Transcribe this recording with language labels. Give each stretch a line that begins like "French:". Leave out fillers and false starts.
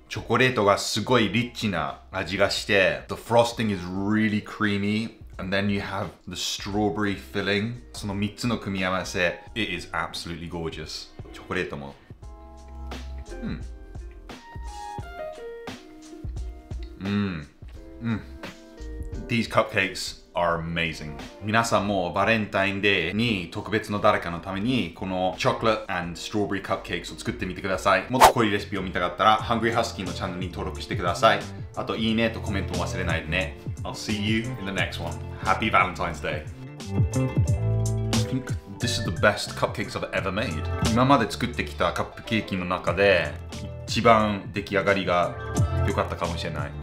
Japanese: チョコレートがすごいリッチな味がして。
English: The frosting is really creamy. And then you have the strawberry filling.
Japanese: その3つの組み合わせ。
English: It is absolutely gorgeous.
Japanese: チョコレートも。
English: These cupcakes are amazing.
Japanese: 皆さんもバレンタインデーに特別の誰かのためにこのチョコレート
English: and strawberry cupcakes
Japanese: を作ってみてください。もっと濃いレシピを見たかったら、Hungry Husky のチャンネルに登録してください。あと、いいねとコメントも忘れないでね。
English: I'll see you in the next one. Happy Valentine's Day. I think this is the best cupcakes I've ever made.
Japanese: 今まで作ってきたカップケーキの中で一番出来上がりが良かったかもしれない。